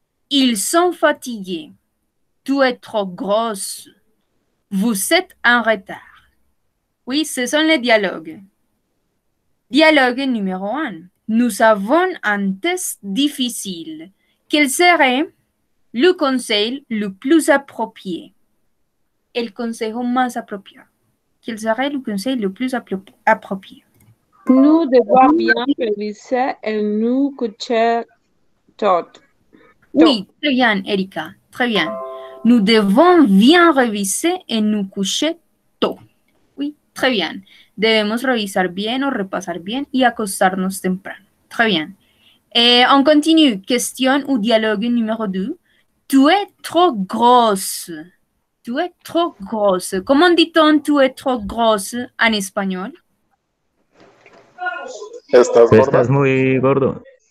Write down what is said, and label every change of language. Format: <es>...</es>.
<fr>Ils sont fatigués. Tu es trop grosse. Vous êtes en retard. Oui, ce sont les dialogues. Dialogue numéro 1. Nous avons un test difficile. Quel serait le conseil le plus approprié?</fr> <es>El consejo más apropiado.</es> <fr>Quel serait le conseil le plus approprié? Nous devons bien réviser et nous coûter tout. Oui, très bien, Erika. Très bien. Nous devons bien réviser et nous coucher tôt. Oui, très bien.</fr> <es>Debemos revisar bien o repasar bien y acostarnos temprano.</es> <fr>Très bien. On continue. Question ou dialogue numéro 2. Tu es trop grosse. Tu es trop grosse. Comment dit-on tu es trop grosse en espagnol?</fr> <es>Estás gorda. Estás muy gordo.</es>